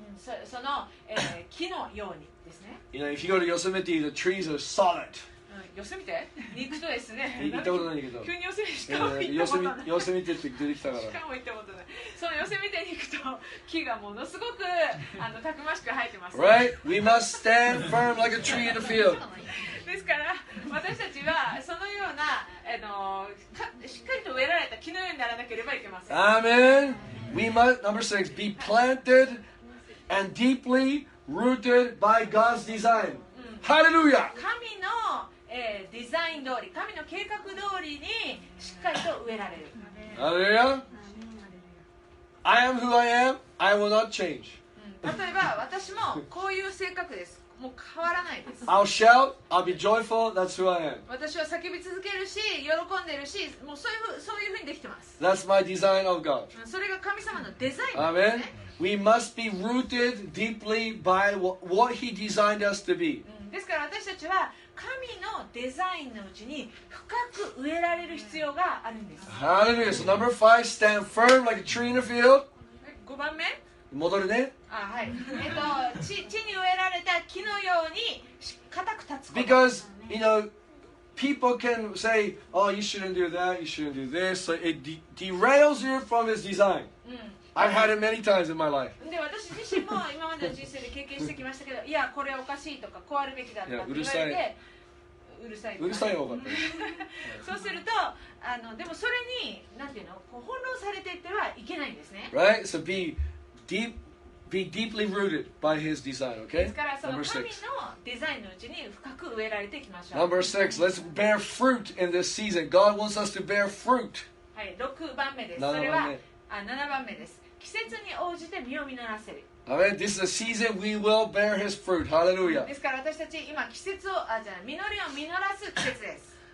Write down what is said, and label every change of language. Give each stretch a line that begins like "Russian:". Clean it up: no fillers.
Japanese: その、木のようにですね。
English: You know, if you go to Yosemite, the trees are solid.
Japanese: Yosemite? 行くとですね。行ったことないけど。急に Yosemite しか行ったことない。Yosemite って出てきたから。しかも行ったことない。その Yosemite に行くと、木がものすごくたくましく生えてます。
English: Right? We must stand firm like a tree in a field.
Japanese: ですから、私たちはそのようなしっかりと植えられた木のようにならなければいけません。
English: Amen. We must, number six, be planted and deeply rooted by God's design. Hallelujah.
Japanese: 神の、デザイン通り、神の計画通りにしっかりと植えられる。
English: Hallelujah. I am who I am. I will not change.
Japanese: 例えば私もこういう性格です。もう変わらないです。
English: I'll shout, I'll be joyful, that's who I am.
Japanese: 私は叫び続けるし、喜んでるし、もうそういうそういうふうにできてます。
English: That's my design of God.
Japanese: それが神様のデザインですね。
English: Amen. We must be rooted deeply by what He designed us to be.
Japanese: ですから私たちは神のデザインのうちに深く植えられる必要があるんです。
English: Hallelujah. So number five, stand firm like a tree in a field.
Japanese: 5番目。戻るね。ああ、はい。地に植えられた木のように固く立つことですね。
English: Because, you know, people can say, oh, you shouldn't do that, you shouldn't do this. So it derails you from his design.
Japanese: うん。
English: I've had it many times in my life.
Japanese: で、私自身も今までの人生で経験してきましたけど、いや、これおかしいとか、こうあるべきだとかって言われて、うるさい。うるさいよ、分かってる。そうすると、でもそれに、なんていうの、こう翻弄されていってはいけないんですね。
English: Right? So be deep, be deeply rooted by his design, okay?
Japanese: ですから、その神のデザインのうちに深く植えられていきましょう。
English: Number six, let's bear fruit in this season. God wants us to bear fruit.
Japanese: はい、6番目です。それは7番目です。季節に応じて実を実らせる。
English: Amen. This is a season we will bear his fruit. Hallelujah.
Japanese: ですから私たち今季節を、実りを実らす季節です。